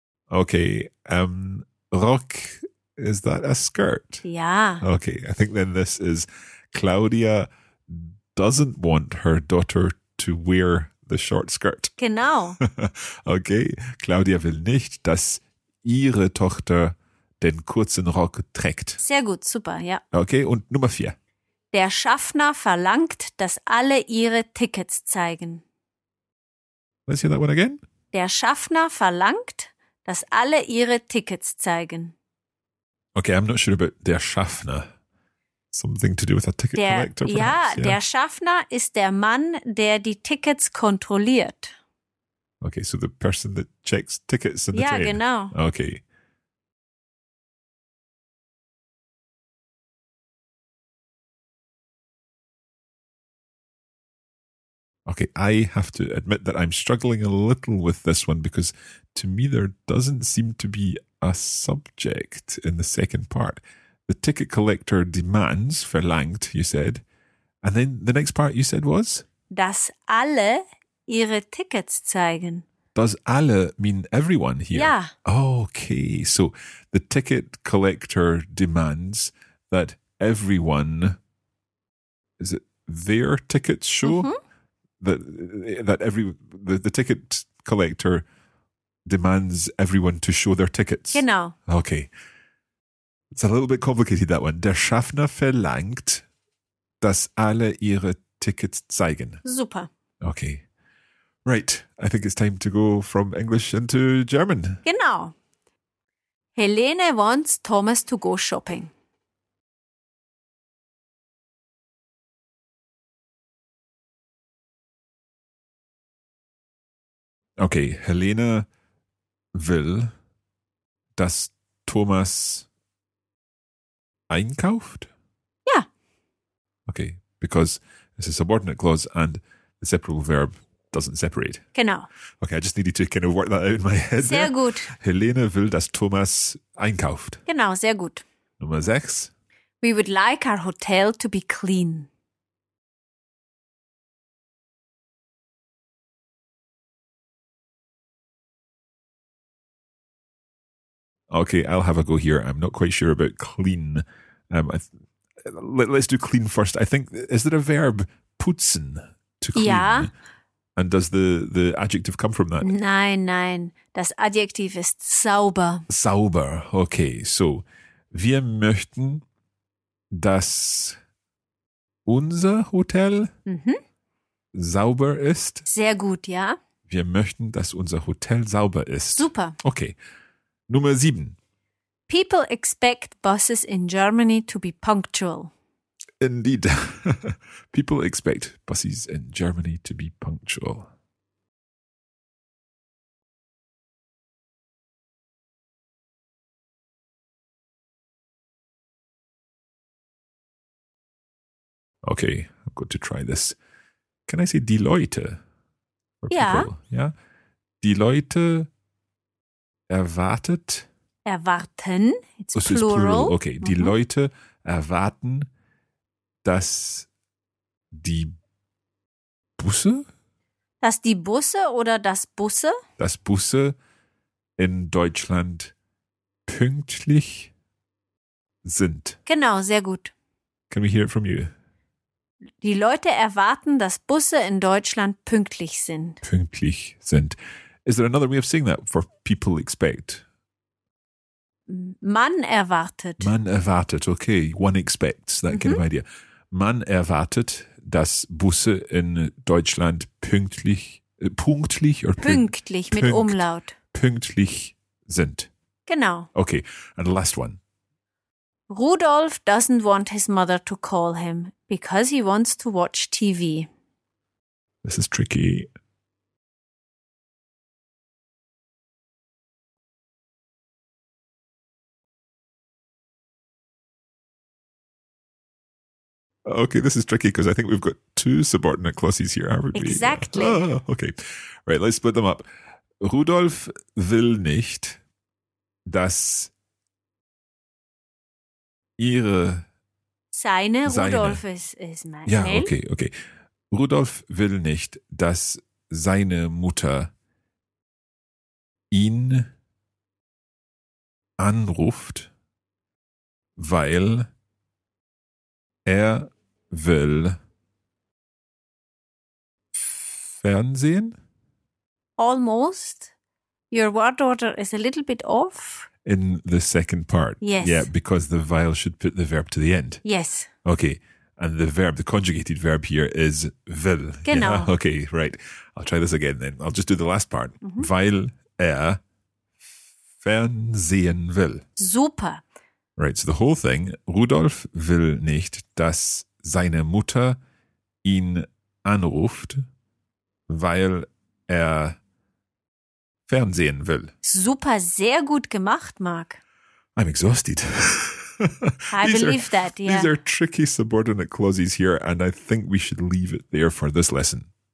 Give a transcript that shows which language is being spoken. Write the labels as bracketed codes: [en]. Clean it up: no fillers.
[en] Okay, Rock, is that a skirt? Yeah. Okay, I think then this is Claudia doesn't want her daughter to wear the short skirt. [de] Genau. Okay, Claudia will nicht, dass ihre Tochter den kurzen Rock trägt. Sehr gut, super, ja. Okay, und Nummer vier. Der Schaffner verlangt, dass alle ihre Tickets zeigen. [en] Let's hear that one again. [de] Der Schaffner verlangt, dass alle ihre Tickets zeigen. [en] Okay, I'm not sure about der Schaffner. Something to do with a ticket collector, perhaps. [de] Ja, der Schaffner ist der Mann, der die Tickets kontrolliert. [en] Okay, so the person that checks tickets in the [de] train. Ja, genau. [en] Okay. Okay, I have to admit that I'm struggling a little with this one because to me there doesn't seem to be a subject in the second part. The ticket collector demands, verlangt, you said. And then the next part you said was? [de] Dass alle ihre Tickets zeigen. [en] Does alle mean everyone here? Yeah. Okay, so the ticket collector demands that everyone, is it their tickets show? Mm-hmm. That the ticket collector demands everyone to show their tickets. [de] Genau. [en] Okay. It's a little bit complicated, that one. [de] Der Schaffner verlangt, dass alle ihre Tickets zeigen. Super. [en] Okay. Right. I think it's time to go from English into German. [de] Genau. [en] Helene wants Thomas to go shopping. [de] Okay, Helene will, dass Thomas einkauft? Ja. [en] Okay, because it's a subordinate clause and the separable verb doesn't separate. [de] Genau. [en] Okay, I just needed to kind of work that out in my head. [de] Sehr gut. Helene will, dass Thomas einkauft. Genau, sehr gut. Nummer 6. [en] We would like our hotel to be clean. Okay, I'll have a go here. I'm not quite sure about clean. Let's do clean first. I think, is there a verb, putzen, to clean? [de] Ja. [en] And does the adjective come from that? [de] Nein, nein. Das Adjektiv ist sauber. Sauber. Okay, so wir möchten, dass unser Hotel sauber ist. Sehr gut, ja. Wir möchten, dass unser Hotel sauber ist. Super. Okay. Nummer 7. [en] People expect buses in Germany to be punctual. Indeed. People expect buses in Germany to be punctual. Okay, I've got to try this. Can I say [de] die Leute? [en] Yeah. [de] Yeah. Die Leute erwartet. [en] Erwarten. It's plural. It's plural. Okay. [de] Mm-hmm. Die Leute erwarten, dass die Busse? Dass die Busse oder das Busse? Dass Busse in Deutschland pünktlich sind. Genau, sehr gut. [en] Can we hear it from you? [de] Die Leute erwarten, dass Busse in Deutschland pünktlich sind. Pünktlich sind. [en] Is there another way of saying that for people expect? [de] Man erwartet. Man erwartet, okay. [en] One expects, that kind of idea. [de] Man erwartet, dass Busse in Deutschland pünktlich mit Umlaut. Pünktlich sind. Genau. [en] Okay, and the last one. Rudolf doesn't want his mother to call him because he wants to watch TV. This is tricky. Okay, this is tricky because I think we've got two subordinate clauses here, haven't we? Exactly. Oh, okay. Right, let's split them up. [de] Rudolf will nicht, dass ihre... Seine Rudolf ist mein... Ja, okay. Rudolf will nicht, dass seine Mutter ihn anruft, weil er will Fernsehen? [en] Almost. Your word order is a little bit off. In the second part. Yes. Yeah, because the vowel should put the verb to the end. Yes. Okay. And the verb, the conjugated verb here is will. [de] Genau. [en] Yeah? Okay, right. I'll try this again then. I'll just do the last part. [de] Mm-hmm. Weil er Fernsehen will. Super. [en] Right, so the whole thing. [de] Rudolf will nicht, dass seine Mutter ihn anruft, weil er Fernsehen will. Super, sehr gut gemacht, Mark. [en] I'm exhausted. I believe that, yeah. These are tricky subordinate clauses here, and I think we should leave it there for this lesson.